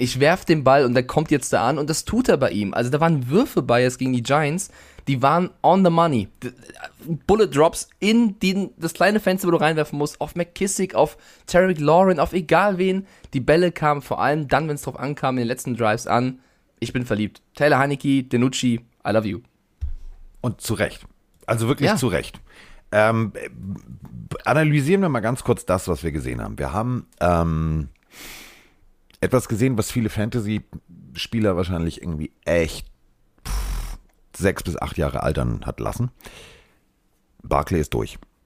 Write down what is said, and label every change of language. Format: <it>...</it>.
<de>Ich werf den Ball und der kommt jetzt da an und das tut er bei ihm. Also da waren Würfe bei jetzt gegen die Giants, die waren</de> <en>on the money.</en> <de>Bullet Drops in das kleine Fenster, wo du reinwerfen musst, auf McKissick, auf Terry McLaurin, auf egal wen. Die Bälle kamen vor allem dann, wenn es drauf ankam, in den letzten Drives an. Ich bin verliebt.</de> <en>Taylor Heinicke, DiNucci, I love you.</en> <de>Und zu Recht. Also wirklich zu Recht. Analysieren wir mal ganz kurz das, was wir gesehen haben. Wir haben etwas gesehen, was viele Fantasy-Spieler wahrscheinlich irgendwie echt 6 bis 8 Jahre altern hat lassen. Barkley ist durch.</de>